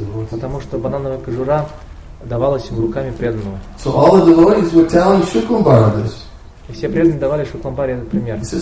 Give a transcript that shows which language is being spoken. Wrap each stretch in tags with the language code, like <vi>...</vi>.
<ru>Потому что банановая кожура давалась ему руками преданного.</ru> <en>So all the devotees were telling Shukumbhara this.</en> <ru>И все преданные давали Шукламбаре этот пример.</ru>